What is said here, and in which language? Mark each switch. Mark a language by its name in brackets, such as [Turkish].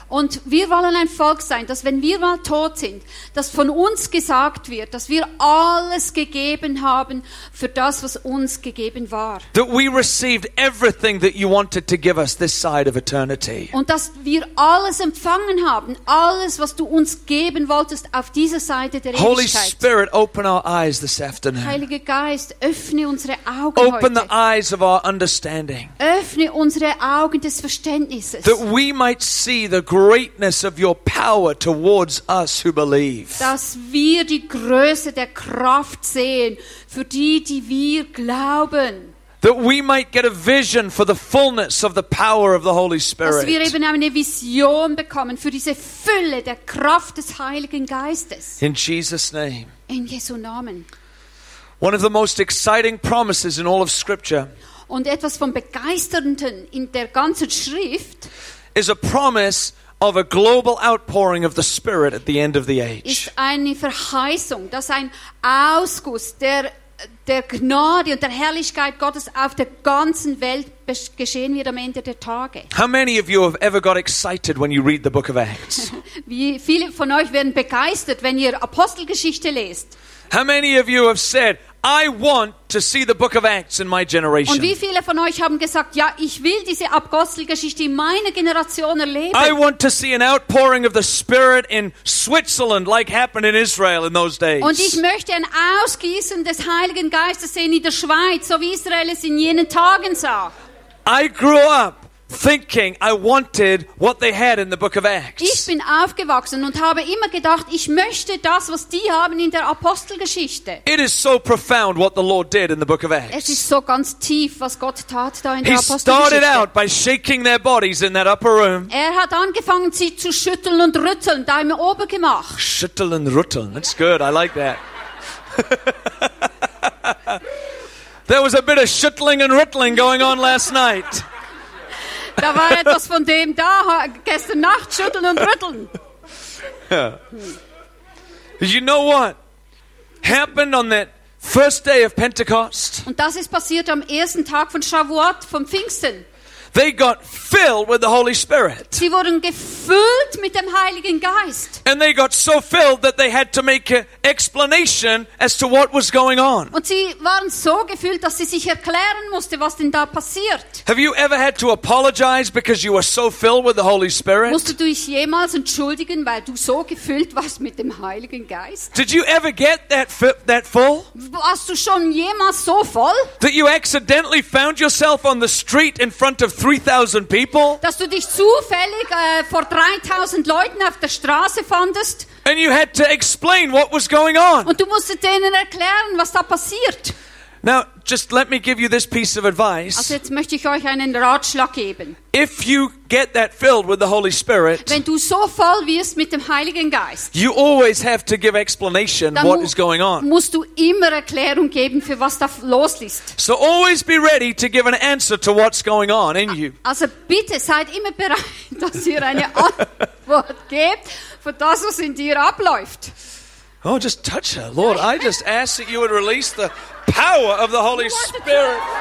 [German] Und wir wollen ein Volk sein, dass wenn wir mal tot sind, dass von uns gesagt wird, dass wir alles gegeben haben für das, was uns gegeben war. [English] That we received everything that you wanted to give us this side of eternity. [German] Und dass wir alles empfangen haben, alles, was du uns geben wolltest auf dieser Seite der Ewigkeit. [English] Holy Spirit, open our eyes this afternoon. [German] Heiliger Geist, öffne unsere Augen [English] open [German] heute. [English] The eyes of our understanding. [German] Öffne unsere Augen des Verständnisses. [English] That we might see the greatness of your power towards us who believe. [German] Dass wir die Größe der Kraft sehen für die, die wir glauben. [English] That we might get a vision for the fullness of the power of the Holy Spirit. [German] Dass wir eben eine Vision bekommen für diese Fülle der Kraft des Heiligen Geistes. [English] In Jesus' name. [German] In Jesu Namen. [English] One of the most exciting promises in all of Scripture. [German] Und etwas vom Begeisternden in der ganzen Schrift [English] is a promise of a global outpouring of the Spirit at the end of the age. [German] Ist eine Verheißung, dass ein Ausguss der Gnade und der Herrlichkeit Gottes auf der ganzen Welt geschehen wird am Ende der Tage. [English] How many of you have ever got excited when you read the book of Acts? [German] Wie viele von euch werden begeistert, wenn ihr Apostelgeschichte lest? [English] How many of you have said, I want to see the book of Acts in my generation. [German] Und wie viele von euch haben gesagt, ja, ich will diese Apostelgeschichte in meiner Generation erleben. [English] I want to see an outpouring of the Spirit in Switzerland like happened in Israel in those days. [German] Und ich möchte ein Ausgießen des Heiligen Geistes sehen in der Schweiz, so wie Israel es in jenen Tagen sah. [English] I grew up thinking I wanted what they had in the book of Acts. [German] Ich bin aufgewachsen und habe immer gedacht, ich möchte das, was die haben in der Apostelgeschichte. [English] It is so profound what the Lord did in the book of Acts. [German] Es ist so ganz tief, was Gott tat da in der Apostelgeschichte. [English] He started out by shaking their bodies in that upper room. [German] Er hat angefangen, sie zu schütteln und rütteln da im Obergemach. Schütteln und rütteln. [English] That's good. I like that. There was a bit of schüttling and rüttling going on last night. [German] Da war etwas von dem da, gestern Nacht, schütteln und rütteln. [English] Yeah. You know what happened on that first day of Pentecost? [German] Und das ist passiert am ersten Tag von Shavuot, vom Pfingsten. [English] They got filled with the Holy Spirit. [German] Sie wurden gefüllt mit dem Heiligen Geist. [English] And they got so filled that they had to make an explanation as to what was going on. [German] Und sie waren so gefüllt, dass sie sich erklären musste, was denn da passiert. [English] Have you ever had to apologize because you were so filled with the Holy Spirit? [German] Musstest du dich jemals entschuldigen, weil du so gefüllt warst mit dem Heiligen Geist? [English] Did you ever get that full? [German] Warst du schon jemals so voll? [English] That you accidentally found yourself on the street in front of 3,000 people. [German] Dass du dich zufällig vor 3,000 Leuten auf der Straße fandest. [English] And you had to explain what was going on. [German] Und du musstest denen erklären, was da passiert. [English] Now, just let me give you this piece of advice. [German] Also jetzt möchte ich euch einen Ratschlag geben. [English] If you get that filled with the Holy Spirit, [German] wenn du so voll wirst mit dem Heiligen Geist, [English] you always have to give explanation what is going on. [German] Musst du immer Erklärung geben für was da los ist. [English] So always be ready to give an answer to what's going on in you. [German] Also bitte seid immer bereit, dass ihr eine Antwort gebt für das, was in dir abläuft. [English] Oh, just touch her. Lord, I just ask that you would release the power of the Holy Spirit.